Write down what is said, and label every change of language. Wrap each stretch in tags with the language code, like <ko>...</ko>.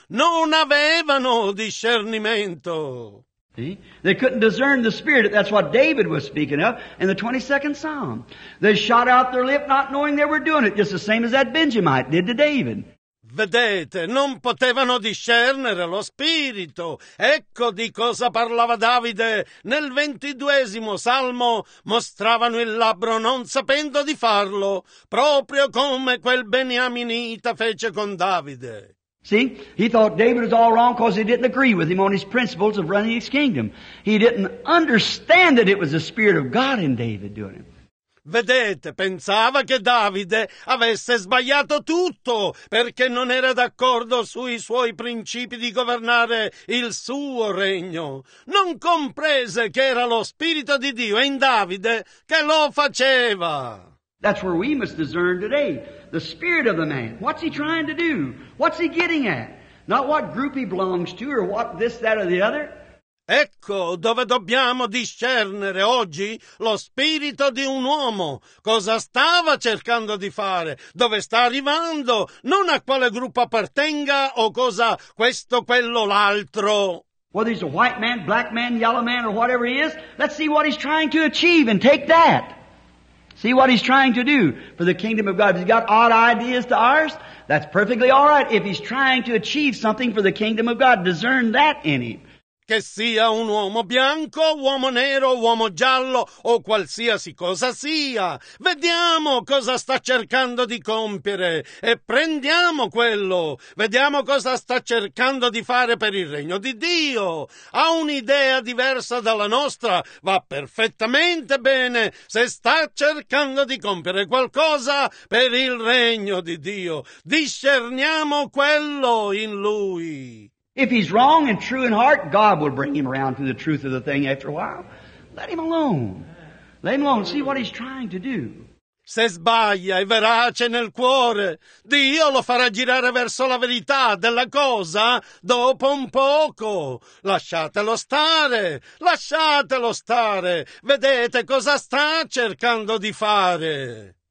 <it>Non avevano discernimento.</it> <en>See? They couldn't discern the spirit. That's what David was speaking of in the 22nd Psalm. They shot out their lip not knowing they were doing it, just the same as that Benjamite did to David.</en> <it>Vedete, non potevano discernere lo spirito. Ecco di cosa parlava Davide nel 22esimo Salmo. Mostravano il labbro non sapendo di farlo, proprio come quel beniaminita fece con Davide.</it> <en>See, he thought David was all wrong because he didn't agree with him on his principles of running his kingdom. He didn't understand that it was the Spirit of God in David doing it.</en> <it>Vedete, pensava che Davide avesse sbagliato tutto perché non era d'accordo sui suoi principi di governare il suo regno. Non comprese che era lo Spirito di Dio in Davide che lo faceva.</it> <en>That's where we must discern today. The spirit of the man. What's he trying to do? What's he getting at? Not what group he belongs to or what this, that or the other.</en> <it>Ecco dove dobbiamo discernere oggi lo spirito di un uomo. Cosa stava cercando di fare? Dove sta arrivando? Non a quale gruppo appartenga o cosa questo, quello, l'altro.</it> <en>Whether he's a white man, black man, yellow man, or whatever he is, let's see what he's trying to achieve and take that. See what he's trying to do for the kingdom of God. If he's got odd ideas to ours, that's perfectly all right. If he's trying to achieve something for the kingdom of God, discern that in him.</en> <it>Che sia un uomo bianco, uomo nero, uomo giallo o qualsiasi cosa sia. Vediamo cosa sta cercando di compiere e prendiamo quello. Vediamo cosa sta cercando di fare per il regno di Dio. Ha un'idea diversa dalla nostra, va perfettamente bene se sta cercando di compiere qualcosa per il regno di Dio. Discerniamo quello in lui.</it> <en>If he's wrong and true in heart, God will bring him around to the truth of the thing after a while. Let him alone. Let him alone. See what he's trying to do.</en> <it>Se sbaglia, è verace nel cuore. Dio lo farà girare verso la verità della cosa dopo un poco. Lasciatelo stare. Lasciatelo stare. Vedete cosa sta cercando di fare.</it>